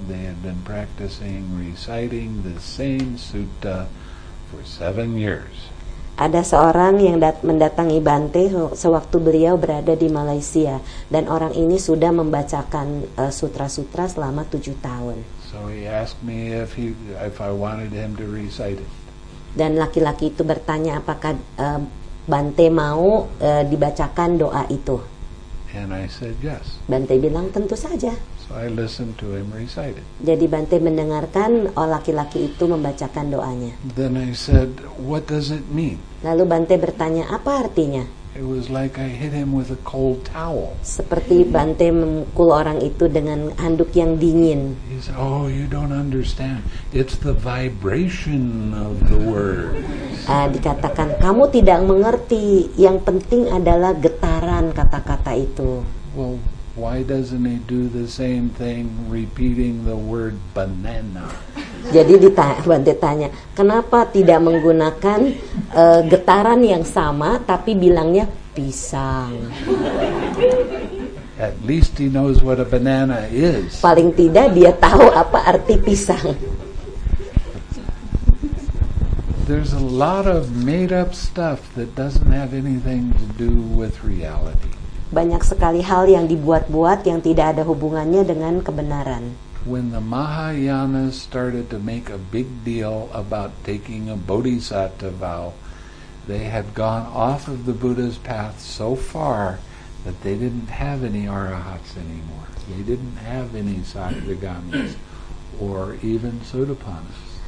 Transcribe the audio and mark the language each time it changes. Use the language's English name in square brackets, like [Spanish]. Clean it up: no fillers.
[English] They had been practicing reciting the same sutta for 7 years. [Indonesian] Ada seorang yang mendatangi Bante sewaktu beliau berada di Malaysia, dan orang ini sudah membacakan sutra-sutra selama 7 tahun. [English] So he asked me if I wanted him to recite it. [Indonesian] Dan laki-laki itu bertanya apakah Bante mau dibacakan doa itu. [English] And I said yes. [Indonesian] Bante bilang tentu saja. [English] So I listened to him recite it. [Indonesian] Jadi Bante mendengarkan laki-laki itu membacakan doanya. [English] Then I said, what does it mean? [Indonesian] Lalu Bante bertanya apa artinya? [English] It was like I hit him with a cold towel. [Indonesian] Seperti Bante memukul orang itu dengan handuk yang dingin. [English] He said, oh, you don't understand. It's the vibration of the word. [Indonesian] Dikatakan kamu tidak mengerti. Yang penting adalah getaran kata-kata itu. [English] Well, why doesn't he do the same thing repeating the word banana? [Indonesian] Jadi Bante tanya, kenapa tidak menggunakan getaran yang sama tapi bilangnya pisang? [English] At least he knows what a banana is. [Indonesian] Paling tidak dia tahu apa arti pisang. [English] There's a lot of made-up stuff that doesn't have anything to do with reality. [Indonesian] Banyak sekali hal yang dibuat-buat yang tidak ada hubungannya dengan kebenaran. [English] When the Mahayanas started to make a big deal about taking a bodhisattva vow, they had gone off of the Buddha's path so far that they didn't have any arahats anymore. They didn't have any sakadagamis or even sotapannas.